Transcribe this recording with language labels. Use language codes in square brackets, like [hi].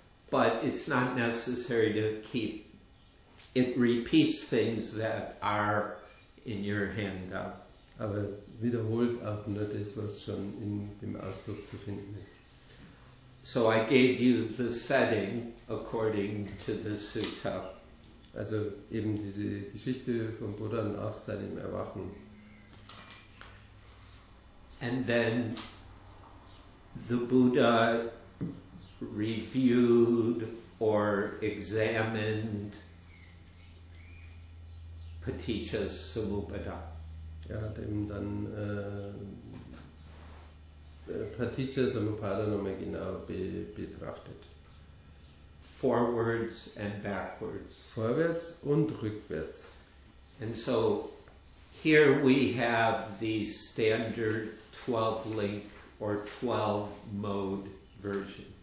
[en] But it's not necessary to keep. It repeats things that are in your handout. [de] Aber wiederholt auch nur das, was schon in dem Ausdruck zu finden ist. [en] So I gave you the setting according to the Sutta. [de] Also eben diese Geschichte vom Buddha nach seinem Erwachen. [en] And then the Buddha reviewed or examined Paticca's Samuppada. [de] Er hat eben dann Paticca's Samuppada nochmal genau betrachtet. [en] Forwards and backwards. [de] Vorwärts und rückwärts. [en] And so here we have the standard 12 link or 12 mode version.